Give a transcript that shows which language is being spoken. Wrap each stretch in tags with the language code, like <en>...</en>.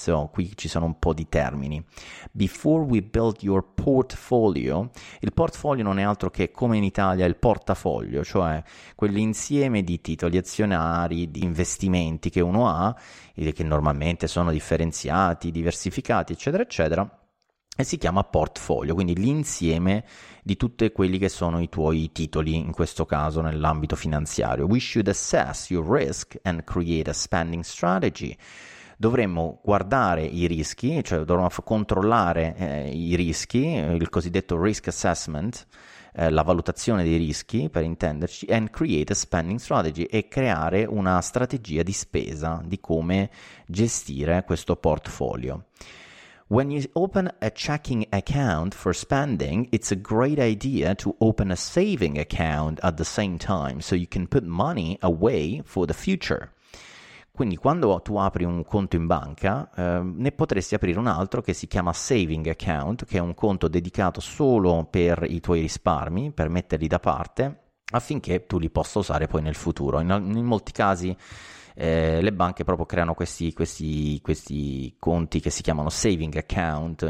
<it>So qui ci sono un po' di termini.</it> <en>Before we build your portfolio,</en> <it>il portfolio non è altro che, come in Italia, il portafoglio, cioè quell'insieme di titoli azionari, di investimenti che uno ha, che normalmente sono differenziati, diversificati, eccetera, eccetera, e si chiama portfolio, quindi l'insieme di tutti quelli che sono i tuoi titoli, in questo caso nell'ambito finanziario.</it> <en>We should assess your risk and create a spending strategy.</en> <it>Dovremmo guardare i rischi, cioè dovremmo controllare i rischi, il cosiddetto risk assessment, la valutazione dei rischi, per intenderci,</it> <en>and create a spending strategy,</en> <it>e creare una strategia di spesa di come gestire questo portfolio.</it> <en>When you open a checking account for spending, it's a great idea to open a saving account at the same time so you can put money away for the future.</en> <it>Quindi quando tu apri un conto in banca, ne potresti aprire un altro che si chiama saving account, che è un conto dedicato solo per i tuoi risparmi, per metterli da parte, affinché tu li possa usare poi nel futuro. In molti casi le banche proprio creano questi conti che si chiamano saving account.</it>